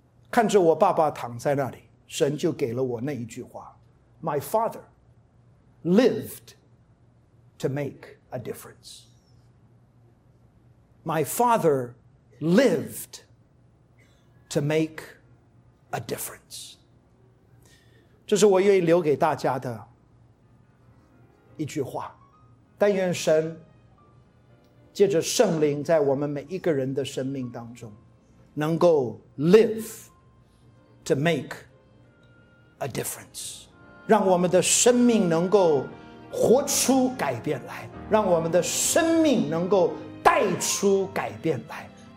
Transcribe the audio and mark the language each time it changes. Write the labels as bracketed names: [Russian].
[Chinese] 看着我爸爸躺在那里，神就给了我那一句话， [English] My father lived to make a difference. My father lived to make a difference. [Chinese] 这是我愿意留给大家的一句话。但愿神借着圣灵在我们每一个人的生命当中能够 [English] liveTo make a difference， [Chinese] 让我们的生命能够活出改变来，让我们的生命能够带出改变来。